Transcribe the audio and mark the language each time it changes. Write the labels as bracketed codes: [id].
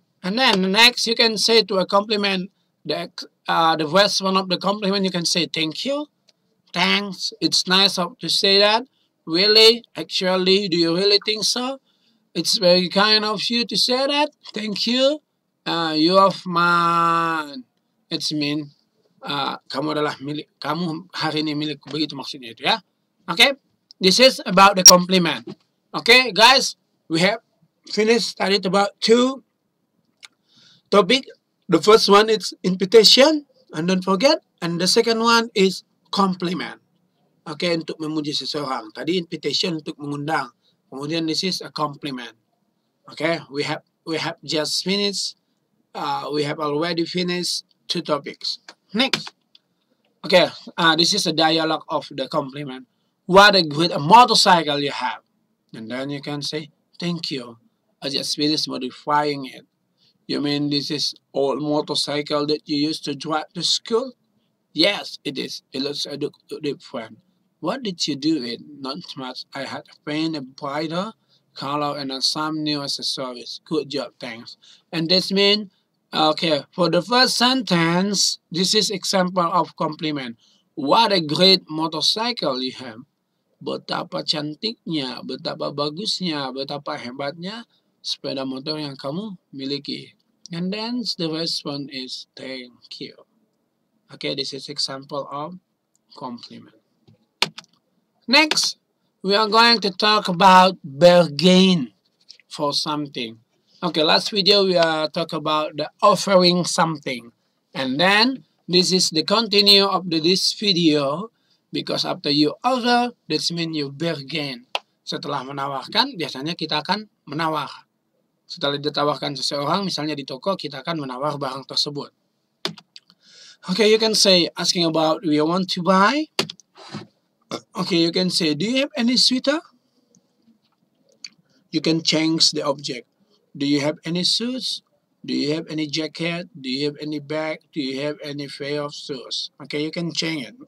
[en] And then next, you can say to a compliment, the first one of the compliment, you can say, "Thank you. Thanks. It's nice of to say that. Really? Actually, do you really think so? It's very kind of you to say that. Thank you. You are mine." It's mean, [id] kamu adalah milik, kamu hari ini milik, begitu maksudnya itu, ya. [en] Okay, this is about the compliment. Okay, guys, we have finished studied about two topic. The first one is invitation, and don't forget. And the second one is compliment. [id] Okay, untuk memuji seseorang. Tadi invitation untuk mengundang. Kemudian [en] this is a compliment. Okay, we have just finished. We have already finished two topics. Next. Okay, this is a dialogue of the compliment. "What a great motorcycle you have." And then you can say, "Thank you. I just finished modifying it." "You mean this is old motorcycle that you used to drive to school?" "Yes, it is. It looks a different. What did you do it?" "Not much. I had to paint a brighter color and some new accessories." "Good job, thanks." And this means, okay, for the first sentence, this is example of compliment. "What a great motorcycle you have." [id] "Betapa cantiknya, betapa bagusnya, betapa hebatnya sepeda motor yang kamu miliki." [en] And then the response is, "Thank you." Okay, this is example of compliment. Next, we are going to talk about bargain for something. Okay, last video we talk about the offering something. And then, this is the continue of this video. Because after you offer, that means you bargain. [id] Setelah menawarkan, biasanya kita akan menawar. Setelah ditawarkan seseorang, misalnya di toko, kita akan menawar barang tersebut. [en] Okay, you can say asking about do you want to buy. Okay, you can say do you have any sweater? You can change the object. Do you have any shoes? Do you have any jacket? Do you have any bag? Do you have any pair of shoes? Okay, you can change it.